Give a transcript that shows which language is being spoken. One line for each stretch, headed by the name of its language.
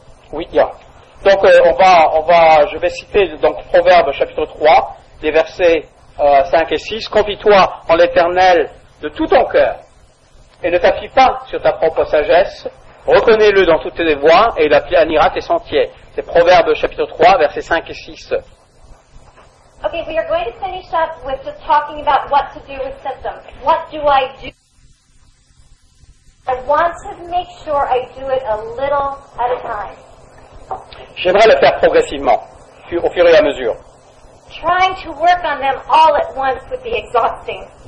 French: Oui, il y a. Donc, je vais citer donc Proverbes chapitre 3, les versets 5 et 6. Confie-toi en l'Éternel de tout ton cœur et ne t'appuie pas sur ta propre sagesse. Reconnais-le dans toutes tes voies et il aplanira tes sentiers. C'est Proverbes chapitre 3, versets 5 et 6.
English: Ok, we are going to finish up with just talking about what to do with symptoms. What do I do? I want to make sure I do it a little at a time.
French: J'aimerais le faire progressivement, au fur et à mesure.
English: Trying to work on them all at once would be exhausting.